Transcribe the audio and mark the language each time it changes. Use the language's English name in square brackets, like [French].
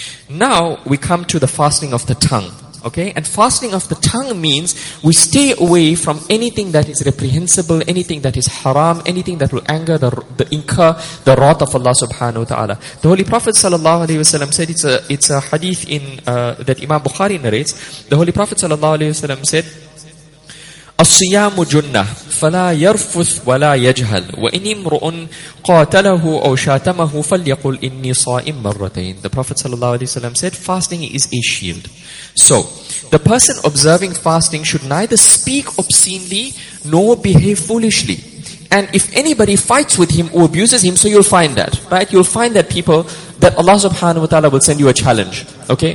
[English] Now we come to the fasting of the tongue. Okay? And fasting of the tongue means we stay away from anything that is reprehensible, anything that is haram, anything that will anger incur the wrath of Allah subhanahu wa ta'ala. The Holy Prophet sallallahu alaihi wasallam said, it's a hadith that Imam Bukhari narrates. The Holy Prophet sallallahu alaihi wasallam said, [Arabic] الصيام جنة فلا يرفث ولا يجهل وإن امرؤ قاتله أو شاتمه فليقل إني صائم مرتين. [English] The Prophet sallallahu alaihi wasallam said, fasting is a shield. So the person observing fasting should neither speak obscenely nor behave foolishly. And if anybody fights with him or abuses him, so you'll find that, right? You'll find that people, that Allah subhanahu wa ta'ala will send you a challenge, okay?